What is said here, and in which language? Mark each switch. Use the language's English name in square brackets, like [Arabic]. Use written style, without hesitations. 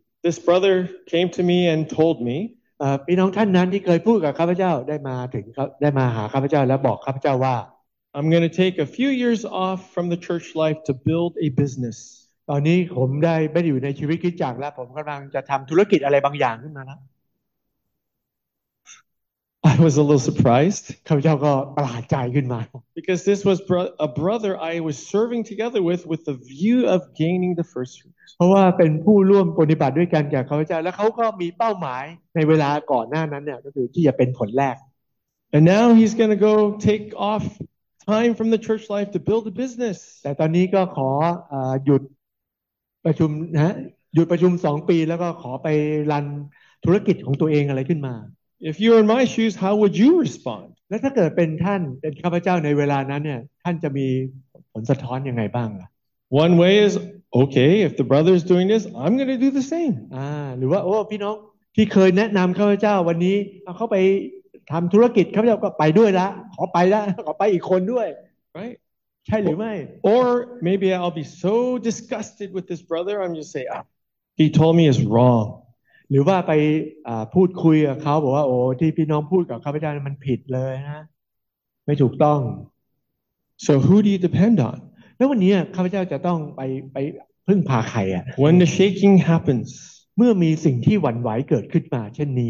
[English] This brother came to me and told me. [Thai] พี่น้องท่านนั้นที่เคยพูดกับข้าพเจ้าได้มาหาข้าพเจ้าและบอกข้าพเจ้าว่า [English] I'm going to take a few years off from the church life to build a business. [Thai] ตอนนี้ผมได้ไม่ได้อยู่ในชีวิตคริสตจักรแล้วผมกำลังจะทำธุรกิจอะไรบางอย่างขึ้นมาแล้ว [English] I was a little surprised [Thai] ข้าพเจ้าก็ประหลาดใจขึ้นมา [English] because this was a brother I was serving together with the view of gaining the first fruits [Thai] เพราะว่าเป็นผู้ร่วมปฏิบัติด้วยกันกับข้าพเจ้าแล้วเขาก็มีเป้าหมายในเวลาก่อนหน้านั้นเนี่ยก็คือที่จะเป็นผลแรก [English] and now he's going to go take off time from the church life to build a business [Thai] แต่ตอนนี้ก็ขอหยุดประชุมนะหยุดประชุม2ปีแล้วก็ขอไปรันธุรกิจของตัวเองอะไรขึ้นมา [English] If you were in my shoes how would you respond [Thai] แล้วถ้าเกิดเป็นท่านเป็นข้าพเจ้าในเวลานั้นเนี่ยท่านจะมีผลสะท้อนยังไงบ้างล่ะ [English] One way is okay if the brother is doing this I'm going to do the same [Thai] หรือว่าโอ้พี่น้องที่เคยแนะนําข้าพเจ้าวันนี้เอาเข้าไปทําธุรกิจข้าพเจ้าก็ไปด้วยละขอไปละขอไปอีกคนด้วย [English] Right [Thai] ใช่หรือไม่ [English] Or maybe I'll be so disgusted with this brother I'm just say he told me is wrong [Thai] หรือว่าไปพูดคุยกับเขาบอกว่าโอ้ที่พี่น้องพูดกับข้าพเจ้ามันผิดเลยนะไม่ถูกต้อง [English] So who do you depend on [Thai] แล้ววันนี้ข้าพเจ้าจะต้องไปพึ่งพาใครอ่ะ [English] When the shaking happens [Thai] เมื่อมีสิ่งที่หวั่นไหวเกิดขึ้นมาเช่นนี